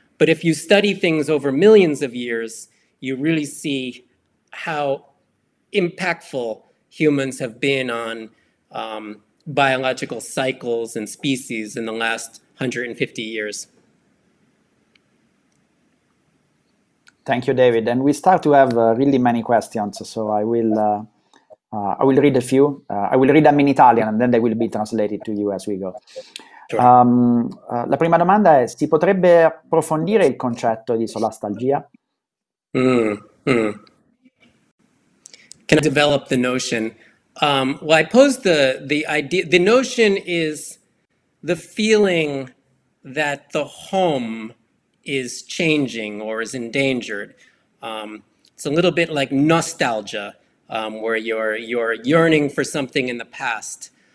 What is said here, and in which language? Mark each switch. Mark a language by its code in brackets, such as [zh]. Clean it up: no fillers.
[en] But if you study things over millions of years, you really see how impactful humans have been on biological cycles and species in the last 150 years. Thank you, David. And we start to have really many questions. So I will read a few. I will read them in Italian and then they will be translated to you as we go. [it] La prima domanda è, si potrebbe approfondire il concetto di solastalgia? [en] Can I develop the notion? Well, I pose the idea, the notion is the feeling that the home is changing or is endangered. It's a little bit like nostalgia, where you're yearning for something in the past.